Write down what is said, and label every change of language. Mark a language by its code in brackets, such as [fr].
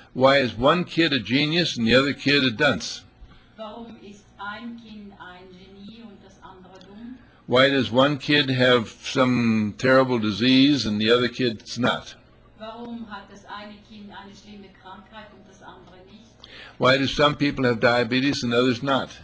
[en] Why is one kid a genius and the other kid a dunce? [de] Warum ist ein Kind ein Genie und das andere dumm? [en] Why does one kid have some terrible disease and the other kid's not? [de] Warum hat das eine Kind eine schlimme Krankheit und das andere nicht? [en] Why do some people have diabetes and others not?